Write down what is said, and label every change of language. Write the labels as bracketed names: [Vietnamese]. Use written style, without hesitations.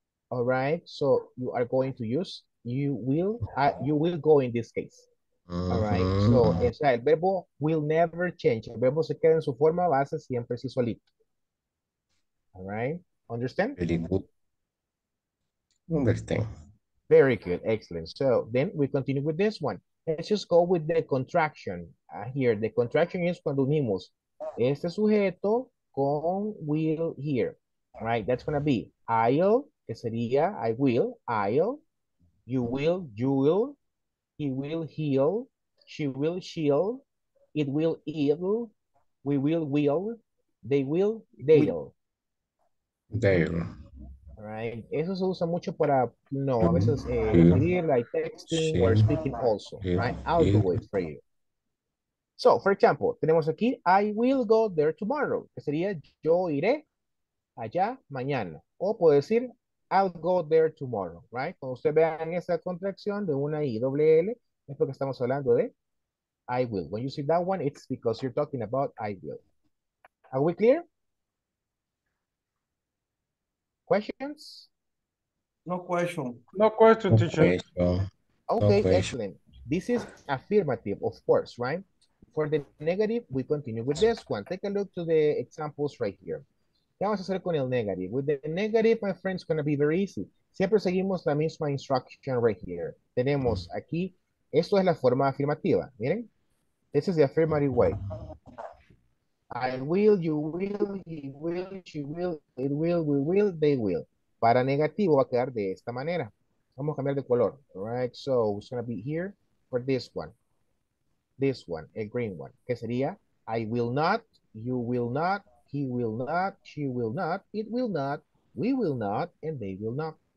[English] All right, so you are going to use, you will go in this case. All right, so, [Spanish] o sea, el verbo [English] will never change. [Spanish] El verbo se queda en su forma base siempre sí solito. [English] All right, understand? Very good. Understand. Very good. Excellent. So then we continue with this one. Let's just go with the contraction here. The contraction is [Spanish] cuando unimos este sujeto con [English] will here, right? That's going to be I'll, [Spanish] que sería [English] I will, I'll, you will, he will, he'll, she will, she'll, it will, it'll, we will, they will, they'll. They'll. Right. [Spanish] Eso se usa mucho para, no, a veces escribir, [English] like texting, or speaking also, right? I'll do it for you. So, for example, [Spanish] tenemos aquí, [English] I will go there tomorrow, [Spanish] que sería, yo iré allá mañana. O puedo decir, [English] I'll go there tomorrow, right? [Spanish] Cuando usted vea en esa contracción de una I, doble L, es porque estamos hablando de I will. [English] When you see that one, it's because you're talking about I will. Are we clear? Questions? No question, teacher. Okay, no excellent. Question. This is affirmative, of course, right? For the negative, we continue with this one. Take a look to the examples right here. [Spanish] ¿Qué vamos a hacer con el [English] negative? With the negative, my friend, it's going to be very easy. [Spanish] Siempre seguimos la misma [English] instruction right here. [Spanish] Tenemos aquí, esto es la forma afirmativa, miren. [English] This is the affirmative way. I will, you will, he will, she will, it will, we will, they will. [Spanish] Para negativo va a quedar de esta manera. Vamos a cambiar de color. [English] All right, so it's going to be here for this one. this one, el green one, [Spanish] que sería [English] I will not, you will not, he will not, she will not, it will not, we will not, and they will not.